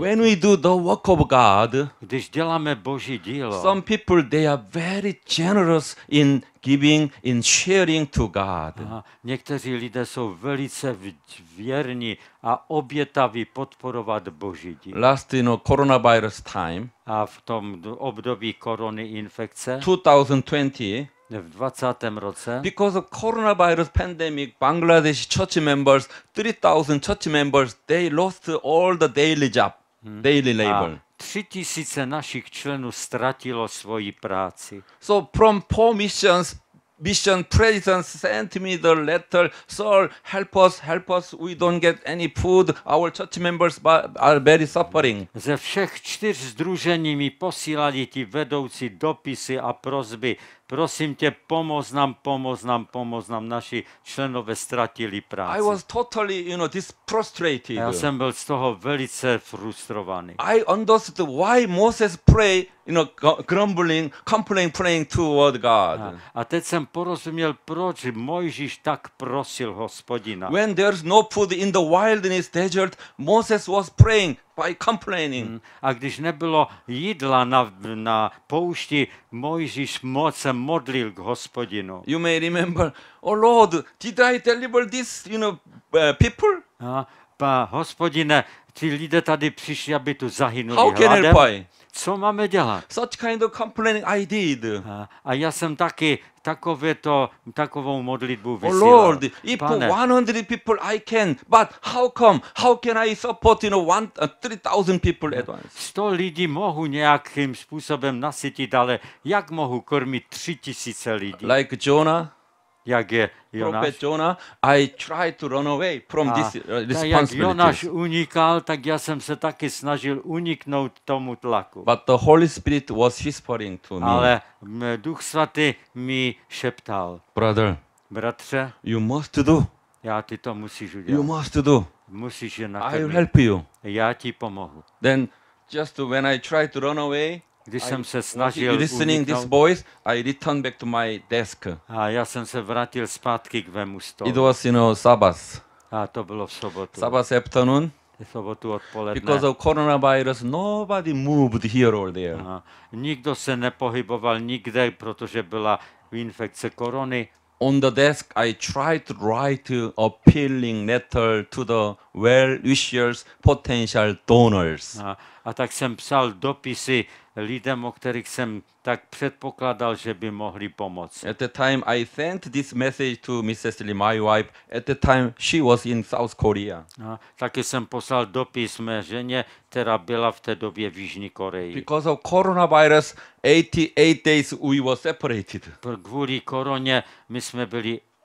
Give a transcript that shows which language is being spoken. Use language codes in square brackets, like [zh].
[en] When we do the work of God, [cs] když děláme Boží dílo, [en] some people they are very generous in giving, in sharing to God. [cs] A někteří lidé jsou velice věrní a obětaví podporovat Boží dílo. [en] Last, you know, coronavirus time, [cs] a v tom období korony infekce, [en] 2020, [cs] v 20. roce. [en] Because of coronavirus pandemic, Bangladesh church members, 3000 church members, they lost all the daily job, daily labor. [cs] 3000 našich členů ztratilo svoji práci. [en] So from four missions, mission presidents sent me the letter, "Sir, help us, help us. We don't get any food. Our church members are very suffering." [cs] Ze všech čtyř sdružení mi posílali ti vedoucí dopisy a prosby. Prosím tě, pomoz nám, pomoz nám, pomoz nám. Naši členové ztratili práci. [en] I was totally, you know, this frustrated. [cs] Já jsem byl z toho velice frustrovaný. [en] I understood why Moses pray, you know, grumbling, complaining, praying toward God. [cs] A teď jsem porozuměl, proč Mojžíš tak prosil Hospodina. [en] When there's no food in the wilderness desert, Moses was praying by complaining. [cs] A když nebylo jídla na poušti, Mojžíš moc se modlil k Hospodinu. [en] You may remember, oh Lord, did I deliver this, you know, people? [cs] Pa Hospodine, ti lidé tady přišli, aby tu zahynuli [en] How [cs] hladem. [en] Can help I? [cs] Co máme dělat? [en] Such kind of complaining I did. [cs] A já jsem taky takovou modlitbu vysílal. [en] Oh Lord, if [cs] Pane, [en] 100 people I can, but how come? How can I support, you know, 3000 people at once? [cs] 100 lidí mohu nějakým způsobem nasytit, ale jak mohu krmit 3000 lidí? [en] Like Jonah. [cs] Jak je Jonáš? [en] Prophet Jonah, I try to run away from this responsibility. [cs] Jak Jonáš unikal, tak já jsem se taky snažil uniknout tomu tlaku. [en] But the Holy Spirit was whispering to me. [cs] Ale Duch Svatý mi šeptal. [en] Brother. [cs] Bratře. [en] You must do. [cs] Já ty to musíš udělat. [en] You must do. [cs] Musíš je nakrmit. [en] I will help you. [cs] Já ti pomohu. [en] Then just when I try to run away, [cs] když jsem se snažil [en] listening this voice, I return back to my desk. [cs] A já jsem se vrátil zpátky k vému stolu. [en] It was, you know, Sabbath. [cs] A to bylo v sobotu. [en] Sabbath afternoon. [cs] V sobotu odpoledne. [en] Because of coronavirus, nobody moved here or there. [cs] Nikdo se nepohyboval nikde, protože byla infekce korony. [en] On the desk, I tried to write a appealing letter to the well-wishers, potential donors. [cs] A tak jsem psal dopisy lidem, o kterých jsem tak předpokládal, že by mohli pomoci. [en] At the time I sent this message to Mrs. Lee, my wife. At the time she was in South Korea. [cs] Taky jsem poslal dopis mé ženě, která byla v té době v Jižní Koreji. [en] Because of coronavirus, 88 days we were separated. [cs] Kvůli koroně my jsme byli